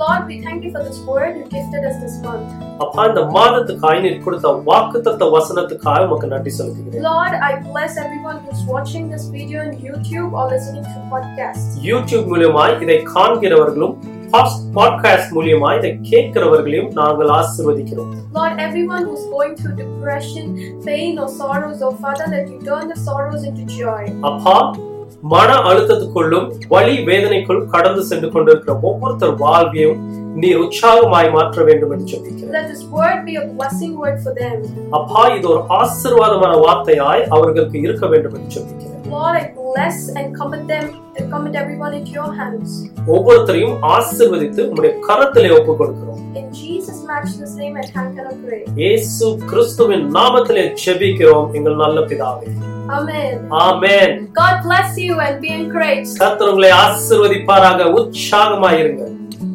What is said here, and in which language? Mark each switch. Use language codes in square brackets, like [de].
[en] Lord, we thank you for this wonderful day. Lord, I bless everyone who's watching this video on YouTube or listening to podcast. [ta] YouTube மூலமாய் இதை காண்கிறவர்களும் podcast மூலமாய் இதை கேட்கிறவர்களையும் நாங்கள் ஆசீர்வதிக்கிறோம். [en] Lord, everyone who's going through depression, pain or sorrows, oh Father, that you turn the sorrows into joy. [ta] அப்பா, மன அழுத்தத்துக்குள்ளும் வலி வேதனைக்குள்ளும் கடந்து சென்று கொண்டிருக்கிற ஒவ்வொருத்தர் வாழ்வையும் நீர் உற்சாகமாய் மாற்ற வேண்டும் என்று சொல்லுகிறேன். [en] Let this word be a blessing word for them. [ta] அப்பா, இது ஒரு ஆசீர்வாதமான வார்த்தையாய் அவர்களுக்கு இருக்க வேண்டும் என்று சொல்லுகிறேன். [en] Lord, I bless and commit them and commit everyone into your hands. [ta] ஒவ்வொருத்தரையும் ஆசீர்வதித்து உம்முடைய கரத்திலே ஒப்புக் கொடுக்கிறோம். [en] In Jesus matchless name and thank and pray. [ta] இயேசு கிறிஸ்துவின் நாமத்திலே ஜெபிக்கிறோம் எங்கள் நல்ல பிதாவே. [en] Amen. God bless you and be encouraged. [ta] கர்த்தர் உங்களை ஆசீர்வதிப்பாராக. உற்சாகமாயிருங்கள்.